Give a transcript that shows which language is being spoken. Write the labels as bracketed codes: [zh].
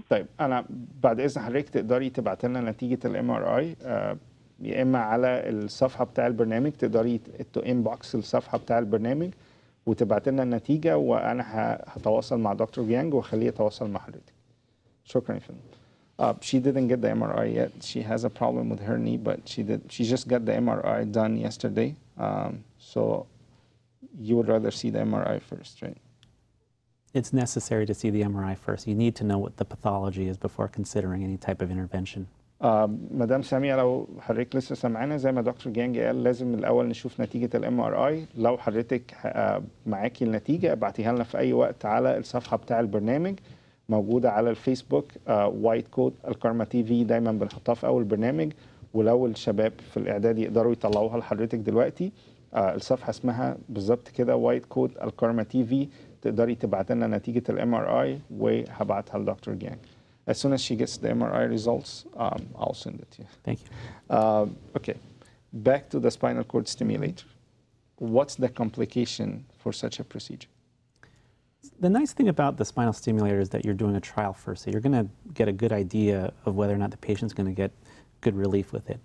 [ar] طيب انا بعد اذن حضرتك تقدري تبعت لنا نتيجه الام ار اي يا اما على الصفحه بتاع البرنامج، تقدري تقيم بوكس الصفحه بتاع البرنامج وتبعت لنا النتيجه، وانا هتواصل مع دكتور جيانج واخليه يتواصل مع حضرتك. شكرا يا فندم. [en] She didn't get the MRI yet. She has a problem with her knee, but she just got the MRI done yesterday. So you would rather see the MRI first, right? It's necessary to see the MRI first. You need to know what the pathology is before considering any type of intervention. [ar] مدام سامية، لو حضرتك لسه سمعنا، زي ما دكتور جيانج قال لازم الأول نشوف نتيجة الـ MRI. لو حضرتك معاكي النتيجة ابعتيها لنا في أي وقت على الصفحة بتاع البرنامج، موجودة على الفيسبوك وايت كوت الكرمة تي في، دايما بنحطها في أول برنامج، ولو الشباب في الإعداد يقدروا يطلعوها لحضرتك دلوقتي. الصفحة اسمها بالظبط كده وايت كوت الكرمة تي في، تقدري تبعت لنا نتيجة الـ MRI وهبعتها لدكتور جيانج. [en] As soon as she gets the MRI results, I'll send it to you. Thank you. Okay, back to the spinal cord stimulator. What's the complication for such a procedure? The nice thing about the spinal stimulator is that you're doing a trial first, so you're going to get a good idea of whether or not the patient's going to get good relief with it.